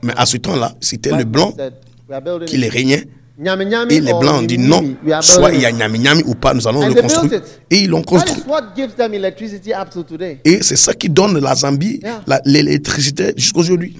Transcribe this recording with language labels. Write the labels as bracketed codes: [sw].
[fr] Mais à ce temps-là, c'était le blanc [en] said, [fr] qui les régnait. Nyame Nyame, et les blancs ont dit non, soit il y a Nyame Nyame ou pas, nous allons [en] and [fr] le construire. Et ils l'ont construit. [en] That is what gives them electricity up to today. [fr] Et c'est ça qui donne la Zambie l'électricité jusqu'à aujourd'hui.